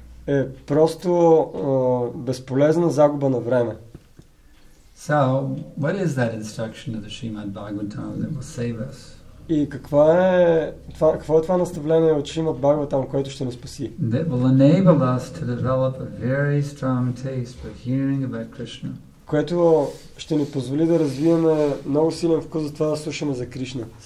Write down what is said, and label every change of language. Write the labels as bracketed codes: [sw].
[bg] Е просто безполезна загуба на време. [en] So, what is that instruction of the Srimad Bhagavatam that will save us? [bg] И каква е това, какво е това наставление от Шримад Бхагаватам, което ще ни спаси? [en] That will enable us to develop a very strong taste for hearing about Krishna. [bg] Което ще ни позволи да развиеме много силен вкус за това да слушаме за Кришна.